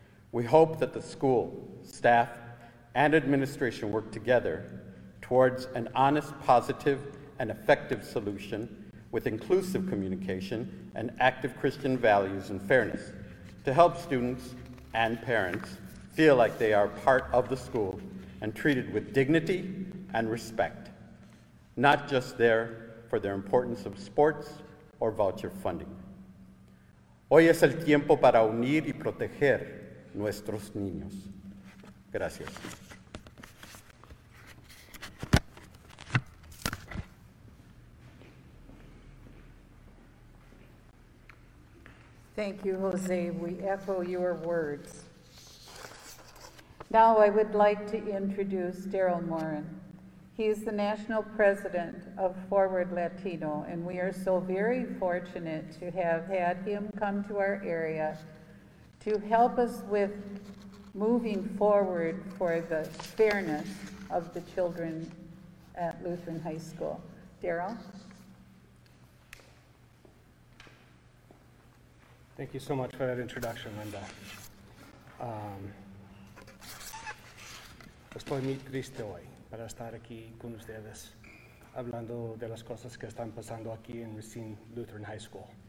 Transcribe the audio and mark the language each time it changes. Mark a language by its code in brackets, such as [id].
[en] We hope that the school, staff, and administration work together towards an honest, positive, and effective solution with inclusive communication and active Christian values and fairness to help students and parents feel like they are part of the school and treated with dignity and respect, not just there for their importance of sports or voucher funding. [es] Hoy es el tiempo para unir y proteger nuestros niños. Gracias. [en] Thank you, Jose. We echo your words. Now I would like to introduce Daryl Morin. He is the national president of Forward Latino, and we are so very fortunate to have had him come to our area to help us with moving forward for the fairness of the children at Lutheran High School. Daryl. Thank you so much for that introduction, Linda. [es] Estoy muy triste hoy para estar aquí con ustedes hablando de las cosas que están pasando aquí en Racine Lutheran High School.